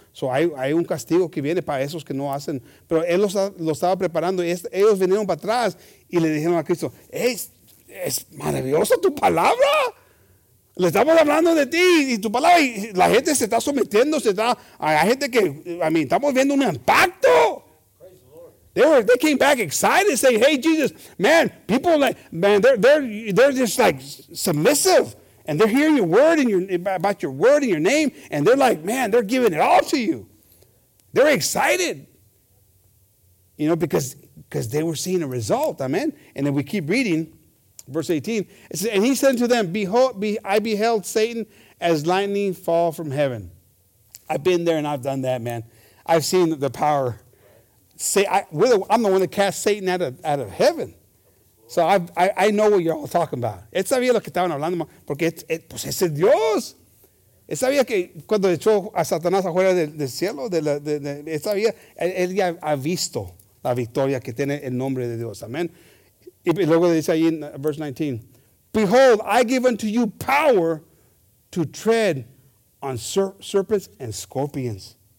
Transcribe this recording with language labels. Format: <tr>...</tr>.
<es>So hay un castigo que viene para esos que no hacen. Pero Él los estaba preparando. Y ellos vinieron para atrás y le dijeron a Cristo, es maravillosa tu palabra. Le estamos hablando de ti y tu palabra. Y la gente se está sometiendo. Hay gente que, estamos viendo un impacto.</es> <en>They came back excited, saying, "Hey, Jesus, man! People like, man, they're just like submissive, and they're hearing your word and about your word and your name, and they're like, man, they're giving it all to you. They're excited, you know, because they were seeing a result, amen." And then we keep reading, verse 18. It says, "And he said to them, I beheld Satan as lightning fall from heaven." I've been there and I've done that, man. I've seen the power. I'm the one that cast Satan out of heaven. So I know what you're all talking about.</en> <es>Él sabía lo que estaban hablando, porque pues ese es Dios. Él sabía que cuando echó a Satanás afuera del cielo, él sabía, él ya ha visto la victoria que tiene el nombre de Dios.</es> <en>Amén.</en> <es>Y luego dice ahí en</es> <en>verse 19, "Behold, I give unto you power to tread on serpents and scorpions."</en>